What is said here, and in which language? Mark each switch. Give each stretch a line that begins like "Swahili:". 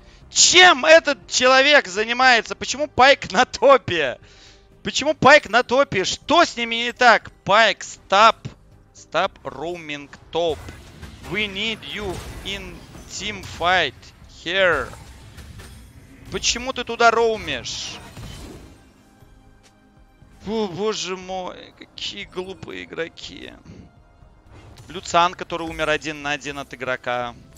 Russian: Чем этот человек занимается? Почему Пайк на топе? Почему Пайк на топе? Что с ними не так? Пайк, стоп. Стоп roaming топ.
English: We need you in team fight here.
Russian: Почему ты туда роумишь? О, боже мой, какие глупые игроки. Люциан, который умер один на один от игрока.